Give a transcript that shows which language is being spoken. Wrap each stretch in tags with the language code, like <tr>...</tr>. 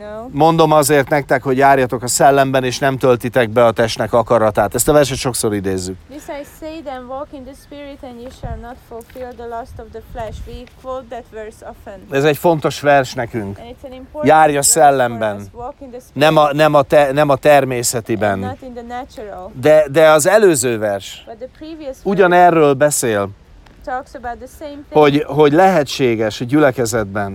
<hu>Mondom azért nektek, hogy járjatok a szellemben, és nem töltitek be a testnek akaratát. Ezt a verset sokszor idézzük.</hu> <en>This I say then, walk in the spirit, and you shall not fulfill the lust of the flesh. We quote that verse often.</en> <hu>Ez egy fontos vers nekünk.</hu> <en>And it's an important</en> <hu>járj a szellemben.</hu> <en>Verse for us. Walk in the spirit.</en> <hu>Nem a természetiben.</hu> <en>And not in the natural.</en> <hu>De az előző vers.</hu> <en>But the previous verse.</en> <hu>Ugyanerről beszél.</hu> <en>Talks about the same thing,</en> <hu>hogy lehetséges a gyülekezetben,</hu>